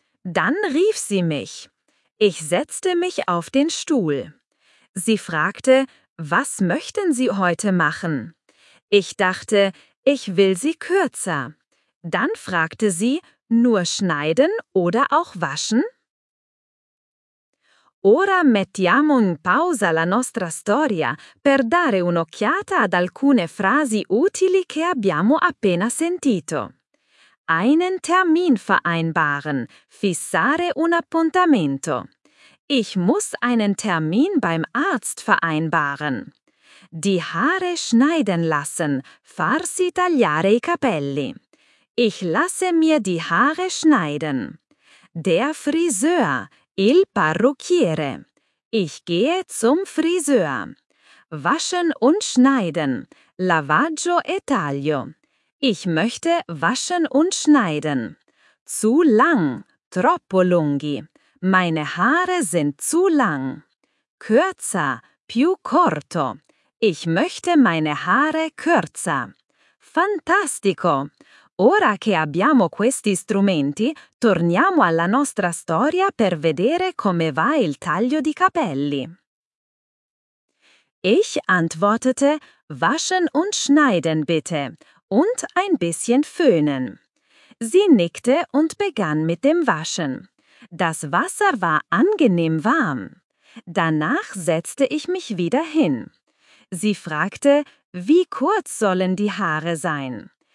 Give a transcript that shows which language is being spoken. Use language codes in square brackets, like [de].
[de] Dann rief sie mich. Ich setzte mich auf den Stuhl. Sie fragte, was möchten Sie heute machen? Ich dachte, ich will sie kürzer. Dann fragte sie, nur schneiden oder auch waschen? [it] Ora mettiamo in pausa la nostra storia per dare un'occhiata ad alcune frasi utili che abbiamo appena sentito. [de] Einen Termin vereinbaren, [it] fissare un appuntamento. [de] Ich muss einen Termin beim Arzt vereinbaren. Die Haare schneiden lassen, [it] farsi tagliare i capelli. [de] Ich lasse mir die Haare schneiden. Der Friseur, [it] il parrucchiere. [de] Ich gehe zum Friseur. Waschen und schneiden, [it] lavaggio e taglio. [de] Ich möchte waschen und schneiden. Zu lang, [it] troppo lunghi. [de] Meine Haare sind zu lang. Kürzer, [it] più corto. [de] Ich möchte meine Haare kürzer. [it] Fantastico! Ora che abbiamo questi strumenti, torniamo alla nostra storia per vedere come va il taglio di capelli. [de] Ich antwortete, waschen und schneiden bitte und ein bisschen föhnen. Sie nickte und begann mit dem Waschen. Das Wasser war angenehm warm. Danach setzte ich mich wieder hin. Sie fragte, wie kurz sollen die Haare sein?